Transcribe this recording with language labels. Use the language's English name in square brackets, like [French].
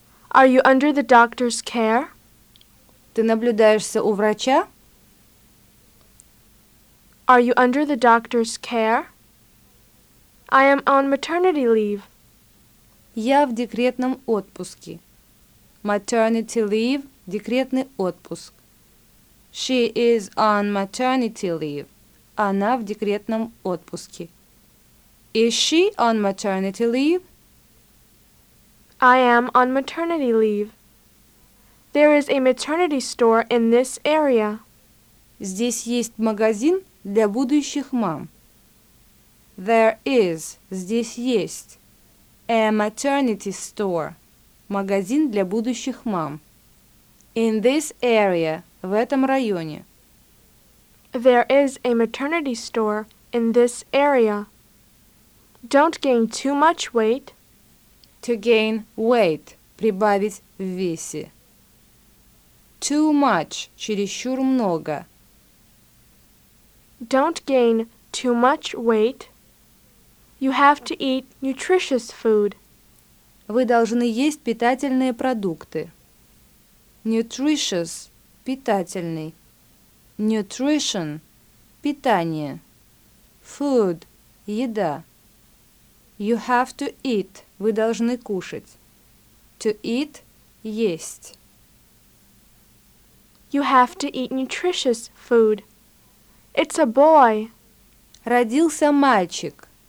[English] Are you under the doctor's care? [Russian] Ты наблюдаешься у врача? [English] Are you under the doctor's care? I am on maternity leave. [Russian] Я в декретном отпуске. [English] Maternity leave – [Russian] декретный отпуск. [English] She is on maternity leave. [Russian] Она в декретном отпуске. [English] Is she on maternity leave? I am on maternity leave. There is a maternity store in this area. [Russian] Здесь есть магазин для будущих мам. [English] There is, [Russian] здесь есть, [English] a maternity store, [Russian] магазин для будущих мам. [English] In this area, [Russian] в этом районе. [English] There is a maternity store in this area. Don't gain too much weight. To gain weight, [Russian] прибавить в весе. [English] Too much, [Russian] чересчур много. [English] Don't gain too much weight. You have to eat nutritious food. [Russian] Вы должны есть питательные продукты. [English] Nutritious – [Russian] питательный. [English] Nutrition – [Russian] питание. [English] Food – [Russian] еда. [English] You have to eat – [Russian] вы должны кушать. [English] To eat – [Russian] есть. [English] You have to eat nutritious food. It's a boy. [Russian] Родился мальчик.